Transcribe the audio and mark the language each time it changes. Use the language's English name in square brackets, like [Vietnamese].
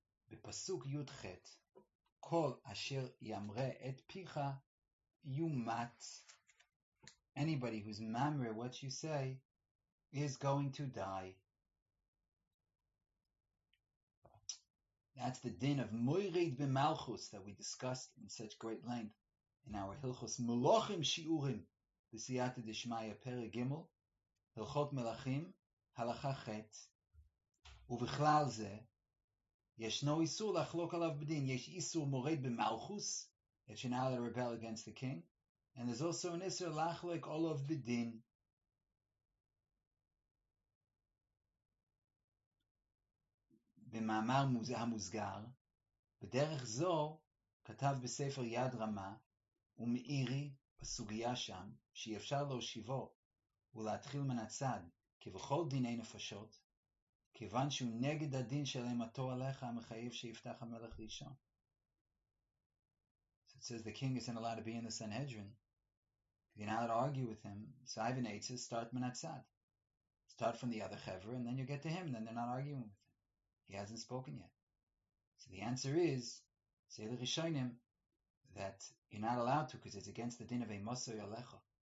[Hebrew] בפסוק י' ח' כל אשר ימרה את פיך יומת. [English] Anybody who's mamre what you say is going to die. That's the din of moirid b'malchus that we discussed in such great length in our Hilchos Melachim Shiurim b'siyata d'shmaya perek gimel Hilchot Melachim halacha ch' [Hebrew] ובכלל זה ישנו איסור לחלוק עליו בדין. יש איסור מורד במלכוס, [English] that you're not allowed to rebel against the king, and there's also an [Hebrew] איסור לחלוק עליו בדין. במאמר המוסגר, בדרך זו, כתב בספר יד רמה, ומאירי בסוגיה שם, שאפשר להושיבו, ולהתחיל מן הצד, כבכל דיני נפשות, כיוון שהוא נגד הדין של אימתו עליך, המחייב שיפתח המלך ראשון. [English] So it says the king isn't allowed to be in the Sanhedrin. You're not allowed to argue with him. So Ivan Eitz says, start from that side. Start from the other chever, and then you get to him, and then they're not arguing with him. He hasn't spoken yet. So the answer is, say the Rishonim, that you're not allowed to, because it's against the din of Eimoso Yalecho.